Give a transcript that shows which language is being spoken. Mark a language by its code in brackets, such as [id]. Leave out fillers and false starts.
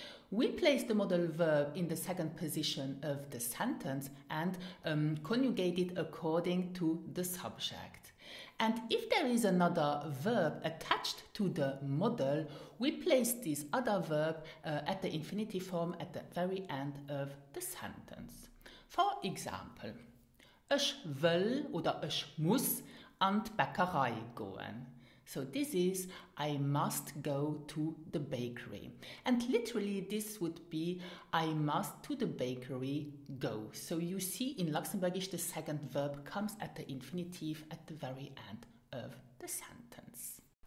[en] We place the modal verb in the second position of the sentence and conjugate it according to the subject. And if there is another verb attached to the modal, we place this other verb at the infinitive form at the very end of the sentence. For example, [de] ich will oder ich muss an die Bäckerei gehen. [en] So this is, I must go to the bakery. And literally this would be, I must to the bakery go. So you see in Luxembourgish the second verb comes at the infinitive at the very end of the sentence.